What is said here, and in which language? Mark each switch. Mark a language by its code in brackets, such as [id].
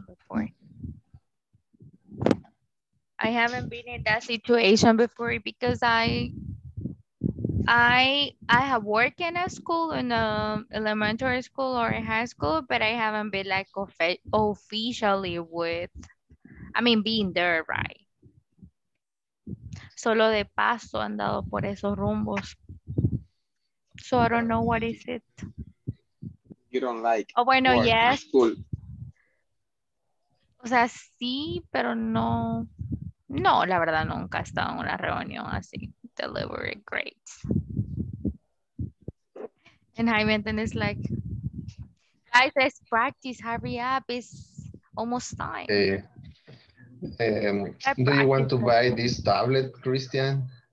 [en] Before. I haven't been in that situation before because I have worked in a school, in a elementary school or in high school, but I haven't been like officially with, I mean, being there, right? [es] solo de paso han dado por esos rumbos. [en] So I don't know what is it. You don't like. Oh, bueno, yes. School. [es] O sea, sí, pero no. No, la verdad, nunca he estado en una reunión así. [en] Delivery, great. And Jaime, then it's like, guys, let's practice, hurry up, it's almost time. Do you want to buy this tablet, Christian?